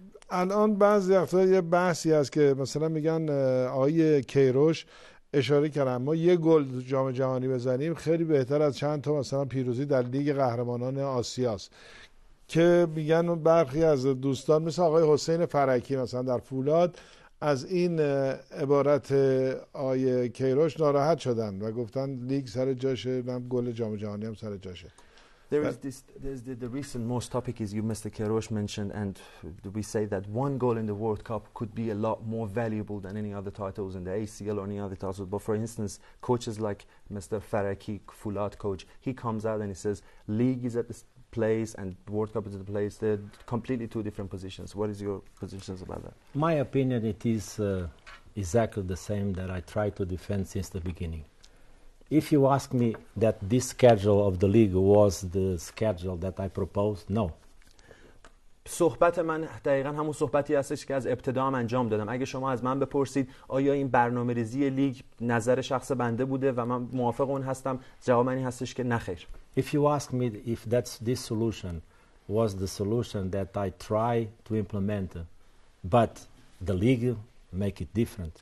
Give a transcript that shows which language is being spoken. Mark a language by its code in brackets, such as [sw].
[fa] الان بعضی افراد یه بحثی هست که مثلا میگن آقای کیروش اشاره کردن ما یه گل جام جهانی بزنیم خیلی بهتر از چند تا مثلا پیروزی در لیگ قهرمانان آسیاست، که میگن برخی از دوستان مثل آقای حسین فرکی مثلا در فولاد از این عبارت آقای کیروش ناراحت شدن و گفتن لیگ سر جاشه، من گل جام جهانی هم سر جاشه. [en] There's the recent most topic is you, Mr. Kerosh mentioned, and we say that one goal in the World Cup could be a lot more valuable than any other titles in the ACL or any other titles. But for instance, coaches like Mr. Faraki, Fulat coach, he comes out and he says, league is at the place and World Cup is at the place. They're completely two different positions. What is your position about that? My opinion, it is exactly the same that I tried to defend since the beginning. If you ask me that this schedule of the league was the schedule that I proposed, no. [fa] صحبت من دقیقاً همون صحبتی هستش که از ابتدا هم انجام دادم. اگه شما از من بپرسید آیا این برنامه‌ریزی لیگ نظر شخص بنده بوده و من موافق اون هستم، جواب من این هستش که نخیر. [en] If you ask me if that's this solution was the solution that I try to implement, but the league make it different.